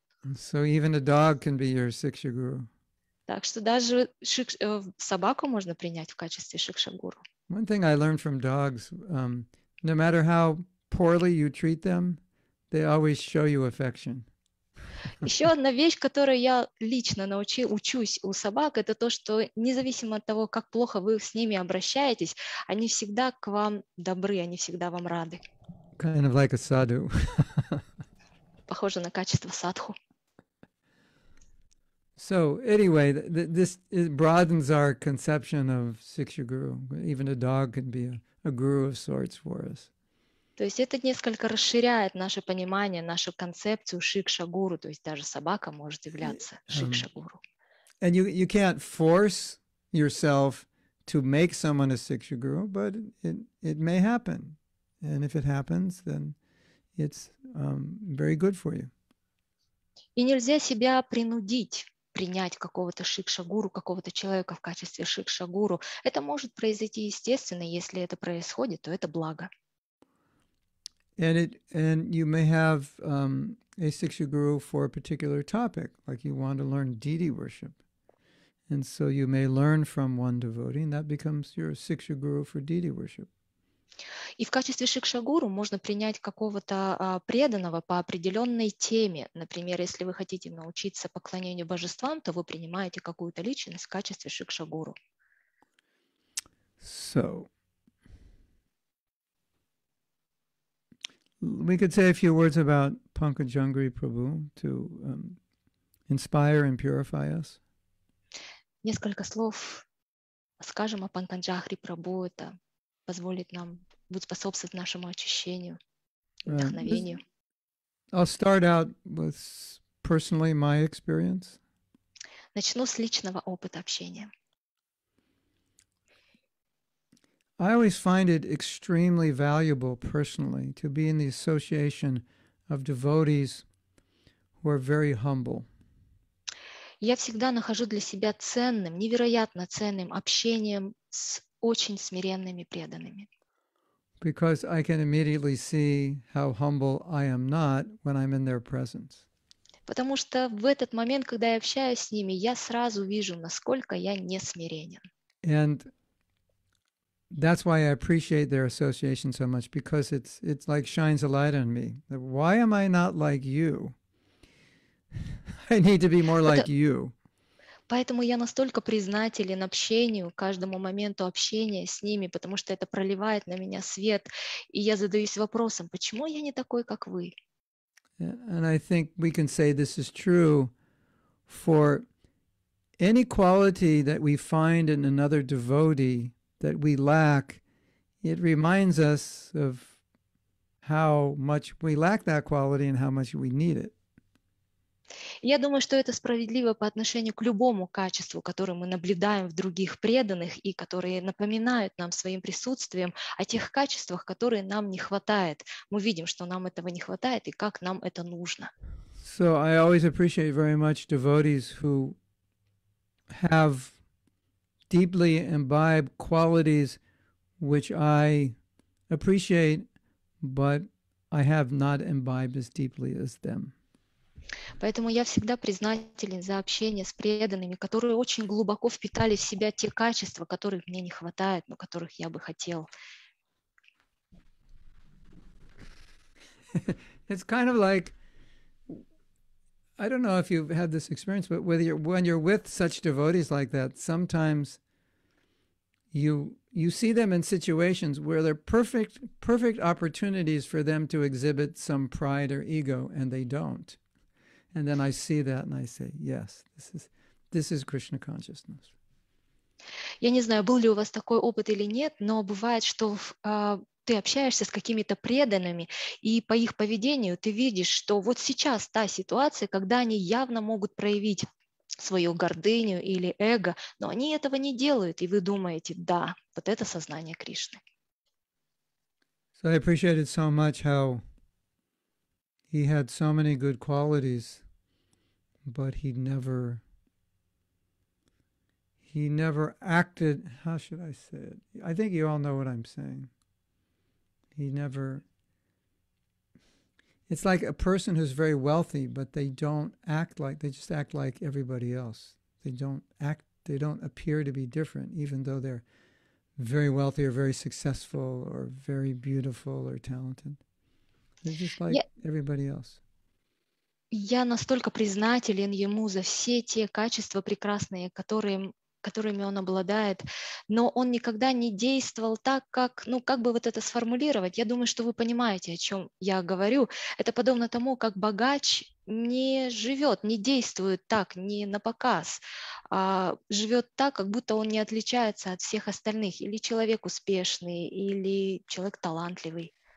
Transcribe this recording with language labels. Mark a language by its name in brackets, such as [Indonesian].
[English] So even a dog can be your Siksha Guru. [Russian] Так что даже собаку можно принять в качестве Шикша Гуру. [English] One thing I learned from dogs, no matter how poorly you treat them, they always show you affection. [Russian] Еще одна вещь, которую я лично учусь у собак, это то, что независимо от того, как плохо вы с ними обращаетесь, они всегда к вам добры, они всегда вам рады. [English] Kind of like a sadhu. [Russian] Похоже на качество садху. [English] So anyway, this broadens our conception of Siksha Guru. Even a dog can be a guru of sorts for us. [Russian] То есть это несколько расширяет наше понимание, нашу концепцию Шикша Гуру. То есть даже собака может являться Шикша Гуру. [English] And you can't force yourself to make someone a Siksha Guru, but it may happen. And if it happens, then it's very good for you. [Russian] И нельзя себя принудить принять какого-то шикша-гуру, какого-то человека в качестве шикша-гуру. Это может произойти естественно, если это происходит, то это благо. [English] And you may have a Siksha Guru for a particular topic, like you want to learn deity worship. And so you may learn from one devotee, and that becomes your Siksha Guru for deity worship. [Russian] И в качестве шикша-гуру можно принять какого-то преданного по определенной теме. Например, если вы хотите научиться поклонению божествам, то вы принимаете какую-то личность в качестве шикша-гуру. [English] So, we could say a few words about Pankajangri Prabhu to inspire and purify us. [Russian] Несколько слов скажем о Пангаджахри Прабу. Это позволит нам, будет способствовать нашему очищению, вдохновению. [English] I'll start out with personally my experience. [Russian] Начну с личного опыта общения. [English] I always find it extremely valuable personally to be in the association of devotees who are very humble. [Russian] Я всегда нахожу для себя ценным, невероятно ценным общением с очень смиренными преданными. [English] Because I can immediately see how humble I am not when I'm in their presence. [Russian] Потому что в этот момент, когда я общаюсь с ними, я сразу вижу, насколько я не смиренен. [English] And that's why I appreciate their association so much, because it's like shines a light on me. Why am I not like you? I need to be more like you. [Russian] Поэтому я настолько признателен общению, каждому моменту общения с ними, потому что это проливает на меня свет, и я задаюсь вопросом, почему я не такой, как вы? [English] And I think we can say this is true for any quality that we find in another devotee that we lack, it reminds us of how much we lack that quality and how much we need it. [Russian] Я думаю, что это справедливо по отношению к любому качеству, которое мы наблюдаем в других преданных и которые напоминают нам своим присутствием о тех качествах, которые нам не хватает. Мы видим, что нам этого не хватает и как нам это нужно. [English] So I always appreciate very much devotees who have deeply imbibed qualities which I appreciate, but I have not imbibed as deeply as them. [Russian] Поэтому я всегда признателен за общение с преданными, которые очень глубоко впитали в себя те качества, которых мне не хватает, но которых я бы хотел. [English] It's kind of like, I don't know if you've had this experience, but when you're with such devotees like that, sometimes you see them in situations where they're perfect opportunities for them to exhibit some pride or ego, and they don't. And then I see that and I say, yes, this is Krishna consciousness. [Russian] Я не знаю, был ли у вас такой опыт или нет, но бывает, что ты общаешься с какими-то преданными, и по их поведению ты видишь, что вот сейчас та ситуация, когда они явно могут проявить свою гордыню или эго, но они этого не делают, и вы думаете, да, вот это сознание Кришны. [English] So I appreciated so much how he had so many good qualities, but he never acted. How should I say it? I think you all know what I'm saying. It's like a person who's very wealthy, but they just act like everybody else. They don't appear to be different, even though they're very wealthy or very successful or very beautiful or talented. They're just like everybody else. [Russian] Я настолько признателен ему за все те качества прекрасные, которыми он обладает, но он никогда не действовал так, как, ну, как бы вот это сформулировать? Я думаю, что вы понимаете, о чем я говорю. Это подобно тому, как богач не живет, не действует так, не на показ, а живет так, как будто он не отличается от всех остальных, или человек успешный, или человек талантливый.